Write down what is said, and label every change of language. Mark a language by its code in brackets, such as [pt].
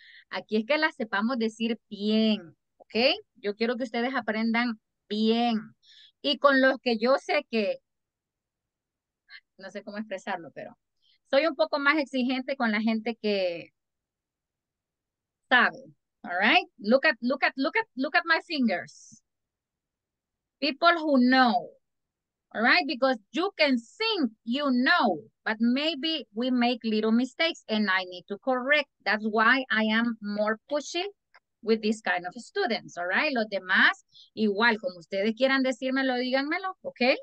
[es] Aquí es que las sepamos decir bien, ¿ok? Yo quiero que ustedes aprendan bien. Y con los que yo sé que, no sé cómo expresarlo, pero soy un poco más exigente con la gente que sabe. [en] All right, look at my fingers. People who know, all right, because you can think you know, but maybe we make little mistakes and I need to correct. That's why I am more pushy with this kind of students, all right? [es] Los demás, igual, como ustedes quieran decírmelo, díganmelo, okay?